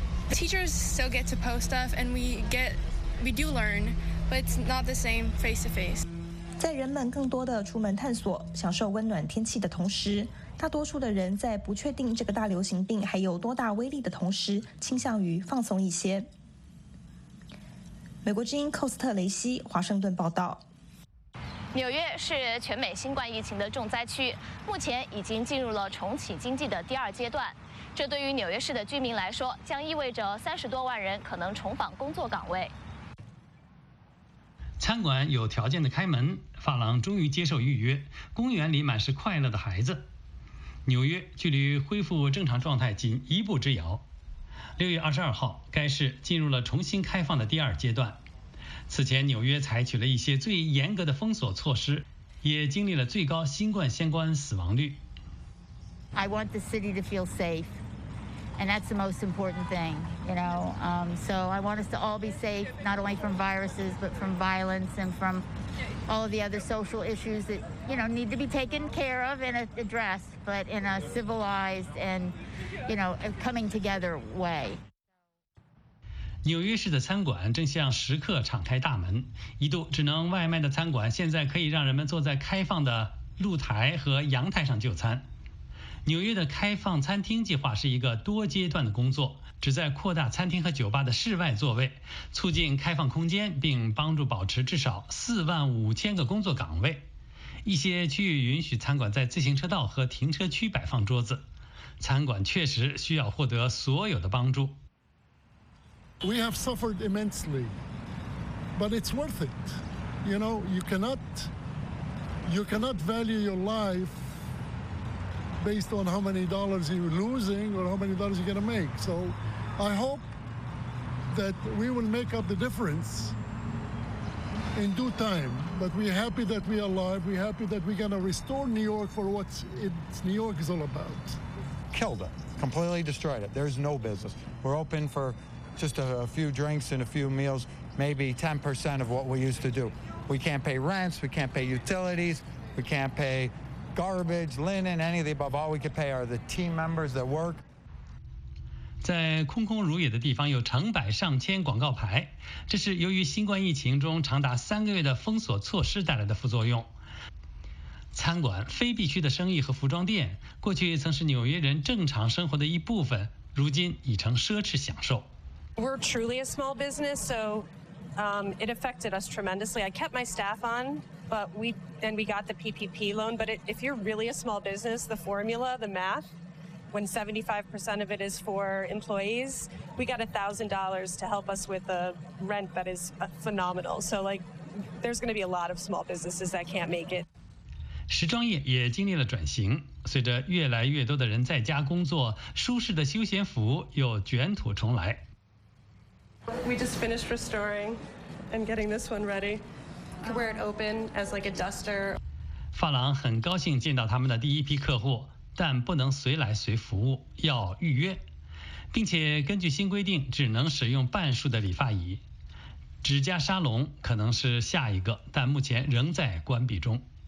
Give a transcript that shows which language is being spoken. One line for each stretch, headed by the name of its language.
English: Teachers still get to post stuff, and we do learn, but it's not the same face to face.
Chinese: 在人们更多的出门探索、享受温暖天气的同时，大多数的人在不确定这个大流行病还有多大威力的同时，倾向于放松一些。美国之音寇斯特雷西，华盛顿报道。纽约是全美新冠疫情的重灾区，目前已经进入了重启经济的第二阶段。这对于纽约市的居民来说，将意味着30多万人可能重返工作岗位。餐馆有条件的开门，发廊终于接受预约，公园里满是快乐的孩子。纽约距离恢复正常状态仅一步之遥。 6月22号，该市进入了重新开放的第二阶段。此前，纽约采取了一些最严格的封锁措施，也经历了最高新冠相关死亡率。
English: I want the city to feel safe, and that's the most important thing, you know. So I want us to all be safe, not only from viruses, but from violence and from all of the other social issues that, you know, need to be taken care of and addressed, but in a civilized and, you know, coming together way.
Chinese: 纽约市的餐馆正向食客敞开大门，一度只能外卖的餐馆现在可以让人们坐在开放的露台和阳台上就餐。纽约的开放餐厅计划是一个多阶段的工作，旨在扩大餐厅和酒吧的室外座位，促进开放空间，并帮助保持至少45000个工作岗位。一些区域允许餐馆在自行车道和停车区摆放桌子，餐馆确实需要获得所有的帮助。
English: We have suffered immensely, but it's worth it. You know, you cannot value your life. Based on how many dollars you're losing or how many dollars you're going to make. So I hope that we will make up the difference in due time. But we're happy that we're alive. We're happy that we're going to restore New York for what New York is all about. Killed it, completely destroyed it. There's no business. We're open for just a few drinks and a few meals, maybe 10% of what we used to do. We can't pay rents, we can't pay utilities, we can't pay. Garbage, linen, any of the above. All we could pay are the team members that work.
Chinese: 在空空如也的地方有成百上千广告牌，这是由于新冠疫情中长达3个月的封锁措施带来的副作用。餐馆、非必需的生意和服装店，过去曾是纽约人正常生活的一部分，如今已成奢侈享受。
English: We're truly a small business, so it affected us tremendously. I kept my staff on. But we got the PPP loan. But if you're really a small business, the formula, the math, when 75% of it is for employees, we got $1,000 to help us with a rent that is phenomenal. So like, there's going to be a lot of small businesses that can't make it.
Chinese: 时装业也经历了转型，随着越来越多的人在家工作，舒适的休闲服又卷土重来。
English: We just finished restoring and getting this one ready. Where it open as like a duster.
Chinese: 发廊很高兴见到他们的第一批客户，但不能随来随服务，要预约，并且根据新规定只能使用半数的理发椅。指甲沙龙可能是下一个，但目前仍在关闭中。